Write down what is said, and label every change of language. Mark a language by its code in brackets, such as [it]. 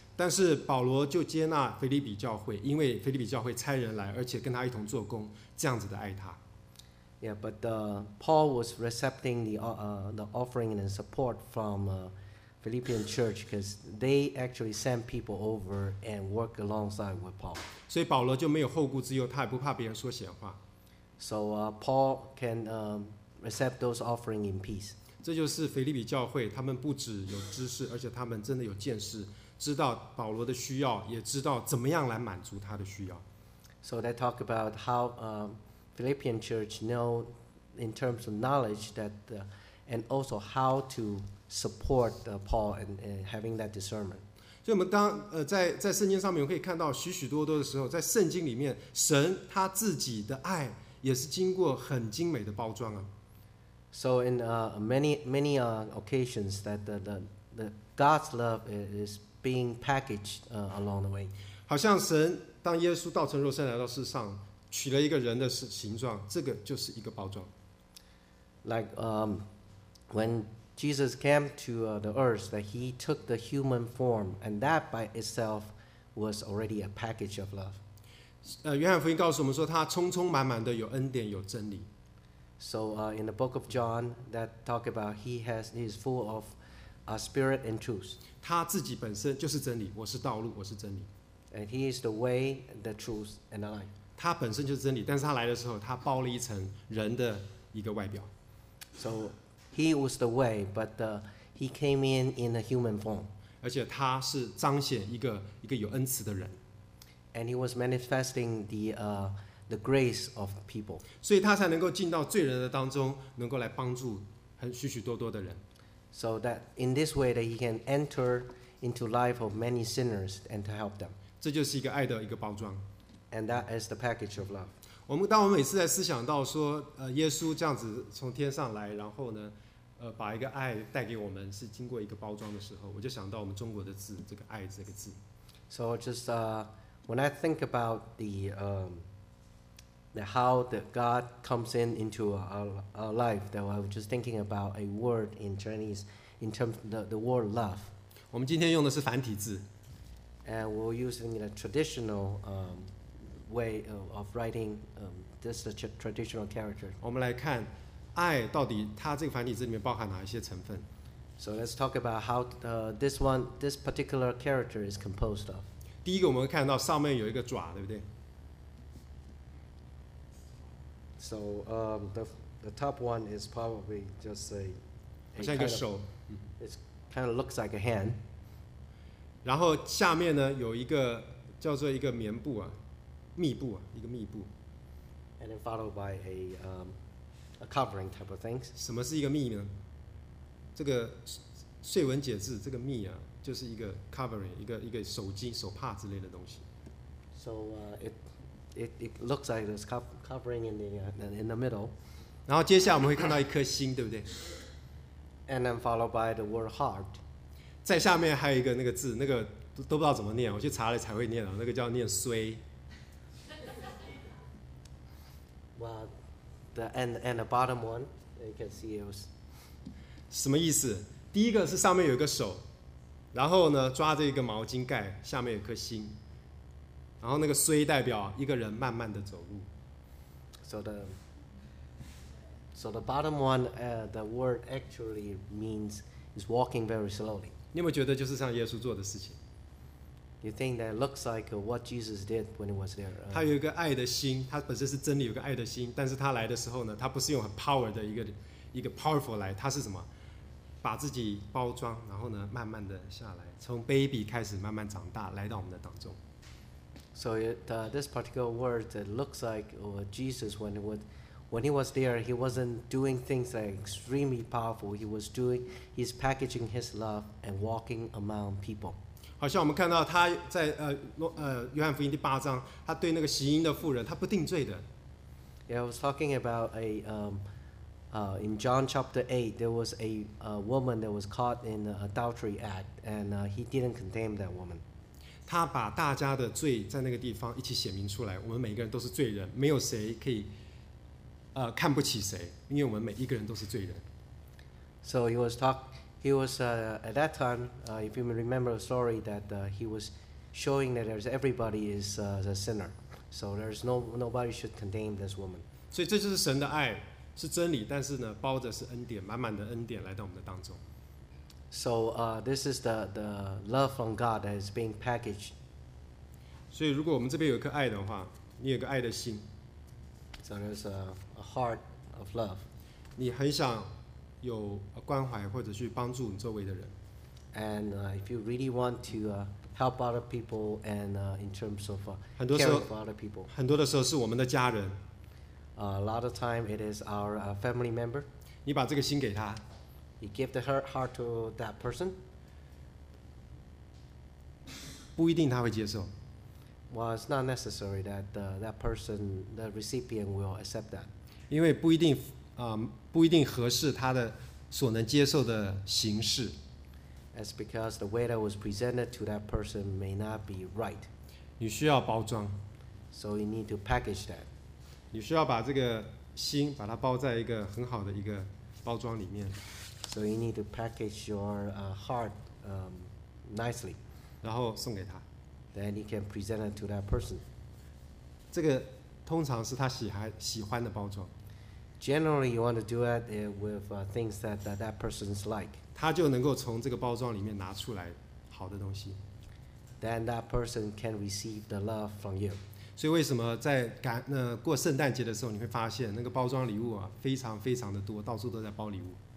[zh] 但是保罗就接纳腓立比教会因为腓立比教会差人来而且跟他一同做工这样子的爱他。 [en] Yeah, but Paul was accepting the offering and support from Philippian church because they actually sent people over and worked alongside with Paul. [zh] 所以保罗就没有后顾之忧，他也不怕别人说闲话。 [en] So Paul can accept those offering in peace. [zh] 这就是腓立比教会，他们不只有知识，而且他们真的有见识，知道保罗的需要，也知道怎么样来满足他的需要。 [en] So they talk about how Philippian church know in terms of knowledge that and also how to support Paul and having that discernment. [zh] 所以我们当在圣经上面会看到许许多多的时候，在圣经里面，神他自己的爱也是经过很精美的包装啊。 [en] So in many occasions that the God's love is being packaged along the way. [zh] 好像神当耶稣道成肉身来到世上。取了一个人的形状，这个就是一个包装。 [en] Like when Jesus came to the earth, that he took the human form, and that by itself was already a package of love. [zh] 约翰福音告诉我们说，他充充满满的有恩典，有真理。 [en] So in the book of John, that talk about he is full of a spirit and truth. [zh] 他自己本身就是真理，我是道路，我是真理。 [en] And he is the way, the truth, and the life. [zh] 他本身就是真理，但是他来的时候，他包了一层人的一个外表。 [en] So he was the way, but he came in a human form. [zh] 而且他是彰显一个有恩慈的人。 [en] And he was manifesting the grace of people. [zh] 所以他才能够进到罪人的当中，能够来帮助很许许多多的人。 [en] So that in this way that he can enter into life of many sinners and to help them. [zh] 这就是一个爱的一个包装。 [en] And that is the package of love. [zh] 我们当我们每次在思想到说，耶稣这样子从天上来，然后呢，把一个爱带给我们，是经过一个包装的时候，我就想到我们中国的字，这个爱这个字。 [en] So just when I think about the how that God comes in into our life, that I was just thinking about a word in Chinese in terms of the word love. [zh] 我们今天用的是繁体字。 [en] And we're using the traditional way of writing just the traditional character. [zh] 我们来看爱到底它这个繁体字里面包含哪一些成分。 [en] So let's talk about how this particular character is composed of. [zh] 第一个我们会看到上面有一个爪，对不对？ [en] So the top one is probably just a [zh] 好像一个手。 [en] It kind of looks like a hand. [zh] 然后下面呢有一个叫做一个棉布啊。密布啊，一个密布。 [en] And then followed by a covering type of things. [zh] 什么是一个密呢？这个碎文解字，这个密啊，就是一个 covering， 一个手巾、手帕之类的东西。 [en] So it looks like it's covering in the middle. [zh] 然后接下来我们会看到一颗心，对不对 [en] ？And then followed by the word heart. [zh] 在下面还有一个那个字，那个都不知道怎么念，我去查了才会念啊，那个叫念衰。 [en] Well, the bottom one, you can see it was. [zh] 什么意思？第一个是上面有一个手，然后呢抓着一个毛巾盖，下面有颗心，然后那个衰代表一个人慢慢的走路。 [en] So the bottom one, the word actually means is walking very slowly. [zh] 你有没有觉得就是像耶稣做的事情？ [en] You think that looks like what Jesus did when he was there? [zh] 他有一个爱的心，他本身是真理，有个爱的心。但是他来的时候呢，他不是用很 power 的一个 powerful 来，他是什么？把自己包装，然后呢，慢慢的下来，从 baby 开始慢慢长大，来到我们的当中。 [en] So this particular word that looks like Jesus when he was there, he wasn't doing things that are extremely powerful. He's packaging his love and walking among people. [zh] 好像我们看到他在约翰福音第八章，他对那个行淫的妇人，他不定罪的。 [en] Yeah, I was talking about a In John chapter 8, there was a woman that was caught in an adultery act, and he didn't condemn that woman. [zh] 他把大家的罪在那个地方一起显明出来，我们每个人都是罪人，没有谁可以看不起谁，因为我们每一个人都是罪人。 [en] So he was at that time, if you remember the story, that he was showing that everybody is a sinner. So there's nobody should condemn this woman. [zh] 所以这就是神的爱，是真理，但是呢，包着是恩典，满满的恩典来到我们的当中。 [en] So this is the love from God that is being packaged. [zh] 所以如果我们这边有一颗爱的话，你有个爱的心。 [en] So there's a heart of love. [zh] 你很想有关怀或者去帮助你周围的人。 [en] And if you really want to help other people and in terms of caring for other people. [zh] 很多的时候是我们的家人。 [en] A lot of time it is our family member. [zh] 你把这个心给他。 [en] You give the heart to that person. [zh] 不一定他会接受。 [en] Well, it's not necessary that that person, the recipient will accept that. [zh] 因为不一定不一定合适他的所能接受的形式。 [en] It's because the way that was presented to that person may not be right. [zh] 你需要包装。 [en] So you need to package that. [zh] 你需要把这个心把它包在一个很好的一个包装里面。 [en] So you need to package your heart nicely. [zh] 然后送给他。 [en] Then you can present it to that person. [zh] 这个通常是他喜欢的包装。 [en] Generally, you want to do it with things that person is like. [zh] 他就能够从这个包装里面拿出来好的东西。 [en] Then that person can receive the love from you. [zh] 所以为什么在过圣诞节的时候，你会发现那个包装礼物啊，非常非常的多，到处都在包礼物。